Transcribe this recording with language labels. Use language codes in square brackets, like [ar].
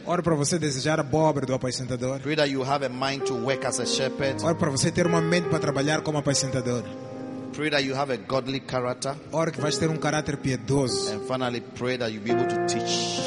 [pt] Ora para você desejar a boa obra do apacentador. [en] Pray that you have a mind to work as a shepherd. [pt] Ora para você ter uma mente para trabalhar como apacentador. [en] Pray that you have a godly character. [pt] Ora que vais ter caráter piedoso. [en] And finally, pray that you be able to teach.